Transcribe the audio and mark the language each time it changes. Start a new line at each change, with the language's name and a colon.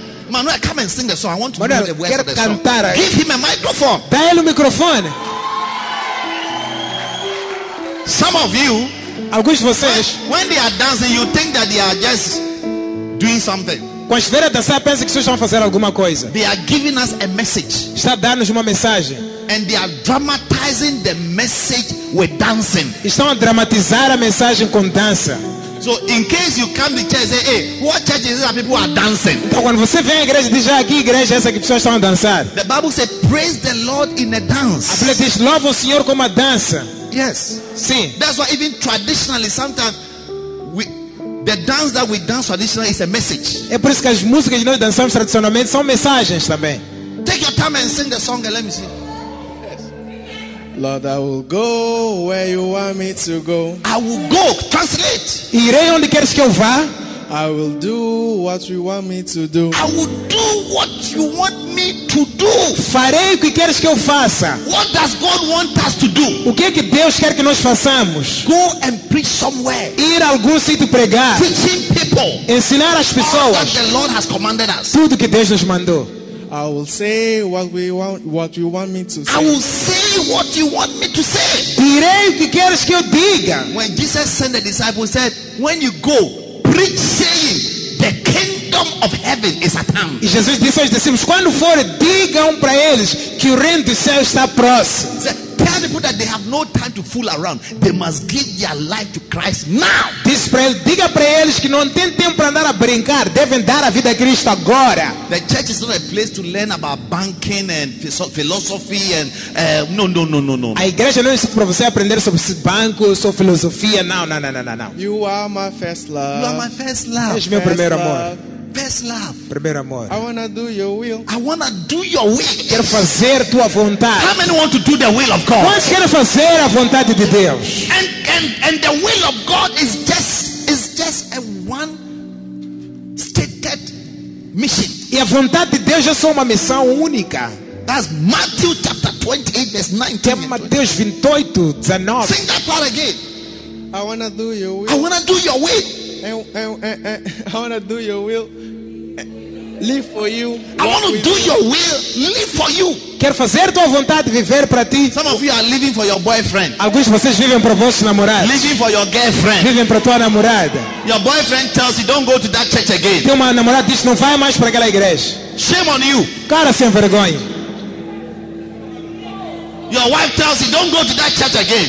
English: Manuel, come and sing the song. I want to Manuel, know the words of the
Portuguese: cantar.
English: Song. Give him a microphone.
Portuguese: Dá-lhe o microfone.
English: Some of you,
Portuguese: alguns de vocês,
English: when they are dancing, you think that they are just doing something.
Portuguese: Quando estiver a dançar, pensa que vocês estão a fazer alguma coisa.
English: They are giving us a message.
Portuguese: Está a dar-nos uma mensagem.
English: And they are dramatizing the message with dancing.
Portuguese: Estão a dramatizar a mensagem com dança.
English: So in case you come to church, say, hey, what church is this that people are dancing?
Portuguese: Então quando você vem à igreja, diz, aqui igreja essa que pessoas estão a dançar.
English: The Bible says, praise the Lord in a dance.
Portuguese: A Bíblia diz, louve o Senhor com uma dança.
English: Yes.
Portuguese: Sim.
English: That's why even traditionally, sometimes we the dance that we dance traditionally is a message.
Portuguese: É por isso que as músicas que nós dançamos tradicionalmente são mensagens também.
English: Take your time and sing the song and let me see. Lord, I will go where you want me to go. I will go. Translate.
Portuguese: Irei onde queres que eu vá.
English: I will do what you want me to do. I will do what you want me to do.
Portuguese: Farei o que queres que eu faça.
English: What does God want us to do?
Portuguese: O que é que Deus quer que nós façamos?
English: Go and preach somewhere.
Portuguese: Ir a algum sítio pregar.
English: Teaching people.
Portuguese: Ensinar as pessoas.
English: All that the Lord has commanded us.
Portuguese: Tudo que Deus nos mandou.
English: I will say what you want me to say. I will say what you want me to say.
Portuguese: Direi o que queres que eu diga.
English: When Jesus sent the disciples, said, "When you go, preach saying, the kingdom of heaven is at hand."
Portuguese: E Jesus disse aos discípulos, quando for, digam para eles que o reino de céu está próximo.
English: Said, tell people that they have no time to fool around. They must give their life to Christ now.
Portuguese: Diga para eles que não tem tempo para andar a brincar. Devem dar a vida a Cristo agora.
English: The church is not a place to learn about banking and philosophy and
Portuguese: A igreja não é para você aprender sobre banco, sobre filosofia. Não.
English: You are my first love. You are my first love.
Portuguese: És meu primeiro amor.
English: First love.
Portuguese: Primeiro amor.
English: I wanna do your will. I wanna do your will.
Portuguese: Quero fazer tua vontade.
English: How many want to do the will of God?
Portuguese: Quantos querem fazer a vontade de Deus?
English: And the will of God is just a one stated mission.
Portuguese: E a vontade de Deus é só uma missão única.
English: That's Matthew chapter 28 verse 19.
Portuguese: Mateus 28, 19.
English: Sing that part again. I wanna do your will. I wanna do your will. I want to do your will, live for you. I want to do your will, live for you.
Portuguese: Quero fazer tua vontade, viver para ti.
English: Some of you are living for your boyfriend.
Portuguese: Alguns de vocês vivem para vossos namorados.
English: Living for your girlfriend.
Portuguese: Vivem para tua namorada.
English: Your boyfriend tells you don't go to that church again.
Portuguese: Teu namorado diz não vai mais para aquela igreja.
English: Shame on you.
Portuguese: Cara sem vergonha.
English: Your wife tells you don't go to that church again.